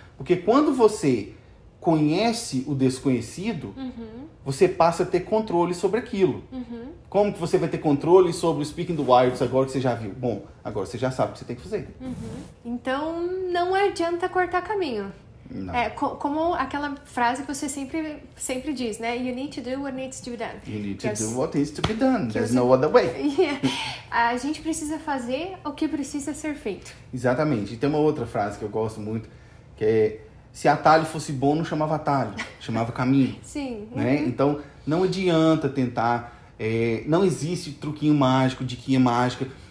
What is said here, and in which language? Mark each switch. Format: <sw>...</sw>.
<pt>Porque quando você conhece o desconhecido, você passa a ter controle sobre aquilo. Uhum. Como que você vai ter controle sobre o speaking do IELTS agora que você já viu? Bom, agora você já sabe o que você tem que fazer. Uhum. Então, não adianta cortar caminho. Não. Como aquela frase que você sempre diz, né?</pt> <en>You need to do what needs to be done. You need to do what needs to be done. There's no other way. Yeah.</en> <pt>A gente precisa fazer o que precisa ser feito. Exatamente. E tem uma outra frase que eu gosto muito, que é... Se atalho fosse bom, não chamava atalho. Chamava caminho. Sim. Né? Uhum. Então, não adianta tentar... não existe truquinho mágico, diquinha mágica...</pt>